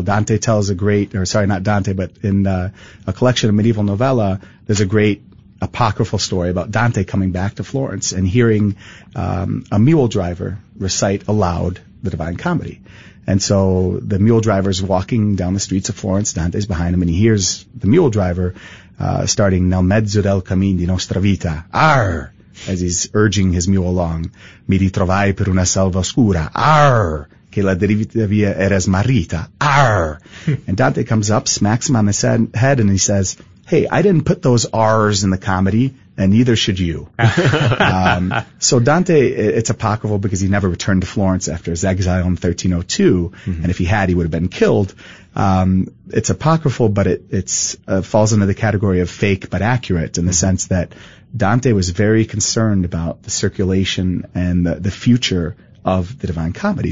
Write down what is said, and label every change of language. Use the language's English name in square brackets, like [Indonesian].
[English] Dante tells a great, or sorry, not Dante, but in a collection of medieval novella, there's a great apocryphal story about Dante coming back to Florence and hearing a mule driver recite aloud the Divine Comedy. And so the mule driver's walking down the streets of Florence. Dante's behind him, and he hears the mule driver starting, [Italian] "Nel mezzo del cammin di nostra vita, arr!" [English] as he's urging his mule along. [Italian] "Mi ritrovai per una selva oscura, arr! Che la deriva via era smarrita, arr!" [English] And Dante comes up, smacks him on the head, and he says, "Hey, I didn't put those R's in the comedy, and neither should you." So Dante, it's apocryphal because he never returned to Florence after his exile in 1302. Mm-hmm. And if he had, he would have been killed. It's apocryphal, but it falls into the category of fake but accurate in the sense that Dante was very concerned about the circulation and the future of the Divine Comedy.